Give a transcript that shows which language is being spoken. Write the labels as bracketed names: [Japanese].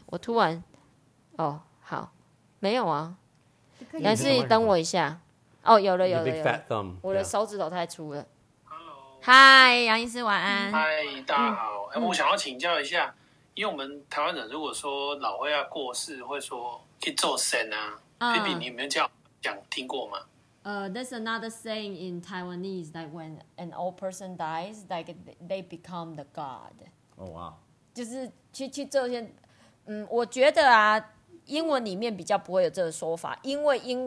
[Chinese] 我突然，哦，好，没有啊，杨医师，等我一下。哦，有了，有了，有了，我的手指头太粗了。嗨，杨医师，晚安。嗨，大家好。嗯，我想要请教一下，嗯，因为我们台湾人如果说老会要过世，会说去做神啊。 Baby，你有没有这样讲听过吗？ [English] There's another saying in Taiwanese that when an old person dies, like they become the god. Oh wow. [Chinese] 就是去做些，嗯，我觉得啊，英文里面比较不会有这个说法，因为英文